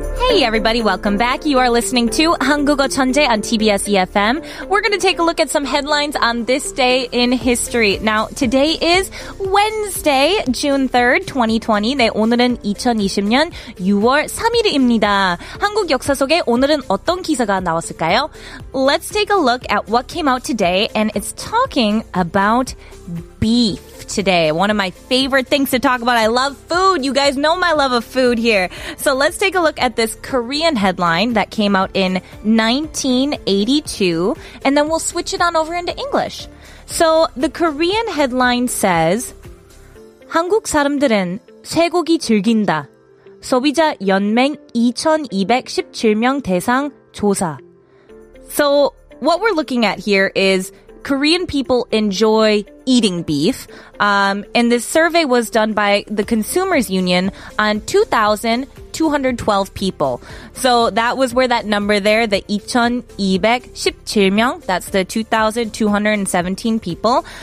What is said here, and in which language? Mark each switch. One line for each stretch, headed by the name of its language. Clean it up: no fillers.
English: Hey everybody, welcome back. You are listening to 한국어 천재 on TBS EFM. We're going to take a look at some headlines on this day in history. Now, today is Wednesday, June 3rd, 2020.
Korean: 네, 오늘은 2020년 6월 3일입니다. 한국 역사 속에 오늘은 어떤 기사가 나왔을까요?
English: Let's take a look at what came out today, and it's talking about beef. Today, one of my favorite things to talk about. I love food. You guys know my love of food here. So let's take a look at this Korean headline that came out in 1982, and then we'll switch it on over into English. So the Korean headline says,
Korean: 한국 사람들은 쇠고기 즐긴다. 소비자 연맹 2,217명 대상 조사.
English: So what we're looking at here is Korean people enjoy eating beef. And this survey was done by the Consumers Union on 2,212 people. So that was where that number there, the 2,217명, that's the 2,217 people.